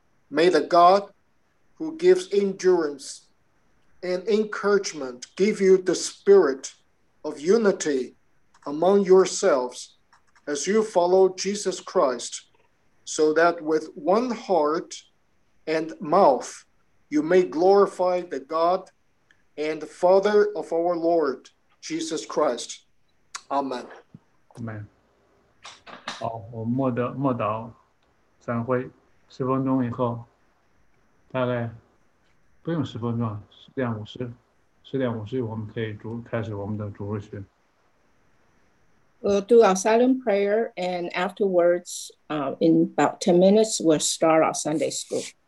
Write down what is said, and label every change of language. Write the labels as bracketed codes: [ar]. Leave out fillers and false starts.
[en] May the God who gives endurance and encouragement give you the spirit of unity among yourselves as you follow Jesus Christ, so that with one heart and mouth you may glorify the God and Father of our Lord Jesus Christ. Amen. Amen. [zh] 好，我默祷，散会，10分钟以后，大概不用10分钟，10:50，10:50我们可以开始我们的主日学。 [en] We'll do our silent prayer, and afterwards, in about 10 minutes, we'll start our Sunday school.